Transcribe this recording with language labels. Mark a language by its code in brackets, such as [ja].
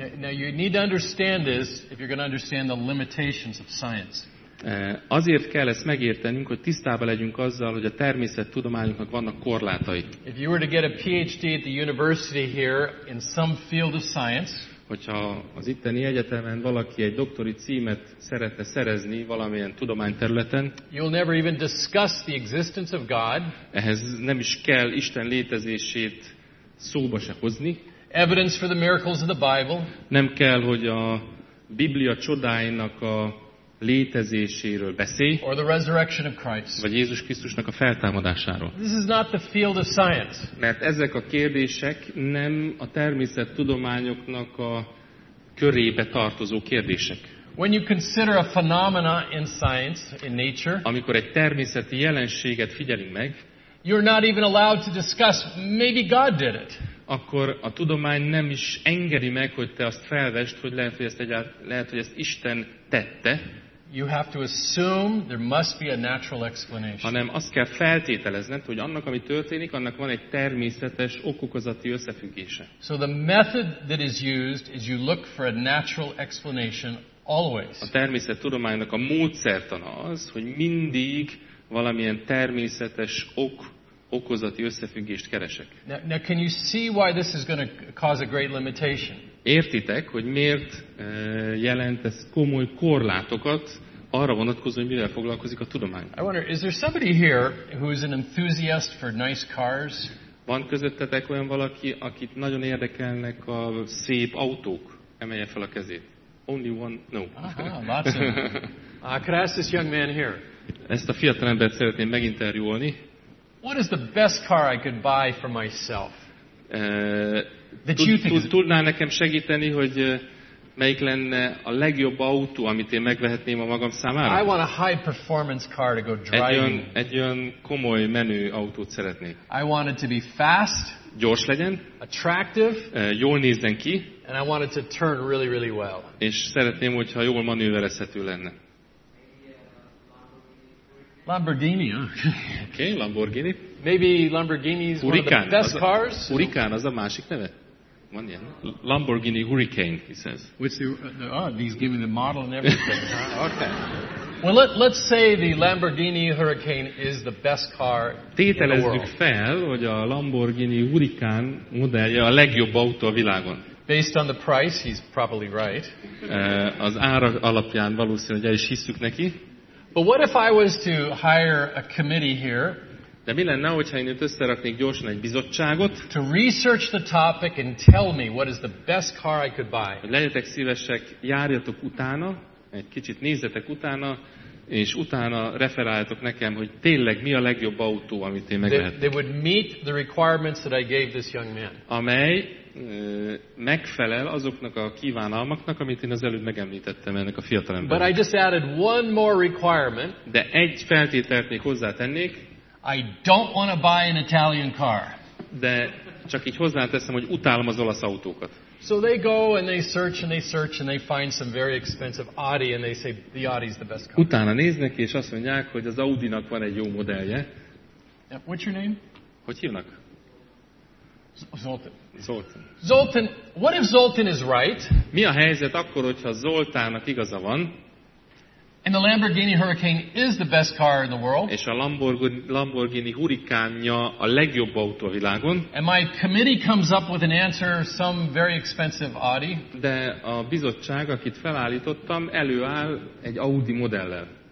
[en] Now you need to understand this if you're going to understand the limitations of science. [hu] Azért kell ezt megértenünk, hogy tisztában legyünk azzal, hogy a természettudományoknak vannak korlátai. [en] If you were to get a PhD at the university here in some field of science, [hu] hogyha az itteni egyetemen valaki egy doktori címet szeretne szerezni valamilyen tudományterületen, [en] you'll never even discuss the existence of God. [hu] Ehhez nem is kell Isten létezését szóba se hozni. [en] Evidence for the miracles of the Bible. [hu] Nem kell, hogy a Biblia csodáinak a létezéséről beszélj, [en] or the resurrection of Christ. [hu] Vagy Jézus Krisztusnak a feltámadásáról. [en] This is not the field of science. [hu] Mert ezek a kérdések nem a természettudományoknak a körébe tartozó kérdések. [en] When you consider a phenomena in science, in nature, [hu] amikor egy természeti jelenséget figyelünk meg, [en] you're not even allowed to discuss maybe God did it. [hu] Akkor a tudomány nem is engedi meg, hogy te azt felvesd, hogy lehet, hogy ezt Isten tette. [en] You have to assume there must be a natural explanation. [hu] Hanem azt kell feltételezned, hogy annak, ami történik, annak van egy természetes okokozati összefüggése. [en] So the method that is used is you look for a natural explanation always. [hu] A természettudománynak a módszertana az, hogy mindig valamilyen természetes okokozati összefüggést keresek. [en] Now can you see why this is going to cause a great limitation? [hu] Értitek, hogy miért jelent ez komoly korlátokat arra vonatkozóan, hogy mivel foglalkozik a tudomány? [en] I wonder, is there somebody here who is an enthusiast for nice cars? [hu] Van közöttetek olyan valaki, akit nagyon érdekelnek a szép autók? Emelje fel a kezét. [en] Only one, no. Aha, lots of. Could I ask this young man here? [hu] Ezt a fiatalembert szeretném meginterjúolni. [en] What is the best car I could buy for myself? [hu] Tudnál nekem segíteni, hogy melyik lenne a legjobb autó, amit én megvehetném a magam számára? [en] I want a high performance car to go driving. [hu] Egy olyan komoly menő autót szeretnék. [en] I want it to be fast. [hu] Gyors legyen. [en] Attractive. [hu] Jól nézzen ki. [en] And I want it to turn really, really well. [hu] És szeretném, hogyha jól manőverezhető lenne. [en] Lamborghini. Okay, Lamborghini. Maybe Lamborghini is Hurricane, one of the best cars. [hu] Hurricane, az a másik neve. Van ilyen. Lamborghini Hurricane, [en] he says. He's giving the model and everything. Okay. Well, let's say the Lamborghini Hurricane is the best car in the world. [hu] Tételezzük fel, hogy a Lamborghini Hurricane modellje a legjobb autó a világon. [en] Based on the price, he's probably right. [hu] Az ára alapján valószínűleg el is hiszük neki. [en] But what if I was to hire a committee here? [hu] De mi lenne, hogyha én itt összeraknék gyorsan egy bizottságot? [en] To research the topic and tell me what is the best car I could buy. [hu] Legyetek szívesek, járjatok utána, egy kicsit nézzetek utána, és utána referáltok nekem, hogy tényleg mi a legjobb autó, amit én megvehetek. [en] They would meet the requirements that I gave this young man. [hu] Amely megfelel azoknak a kívánalmaknak, amit én az előbb megemlítettem ennek a fiatalembernek. [en] But I just added one more requirement. [hu] De egy feltételt még hozzátennék. [en] I don't want to buy an Italian car. [hu] De csak így hozzáteszem, hogy utálom az olasz autókat. [en] So they go and they search and they search and they find some very expensive Audi and they say the Audi's the best car. [hu] Utána néznek és azt mondják, hogy az Audinak van egy jó modellje. [en] What's your name? [hu] Hogy hívnak? [en] Zoltán. [hu] Zoltán. [en] Zoltán, what if Zoltán is right? [hu] Mi a helyzet akkor, hogyha Zoltánnak igaza van? [en] And the Lamborghini Huracán is the best car in the world. [hu] És a Lamborghini Huracánja a legjobb autó a világon. [en] And my committee comes up with an answer, some very expensive Audi. [hu] De a bizottság, akit felállítottam, előáll egy Audi modellel.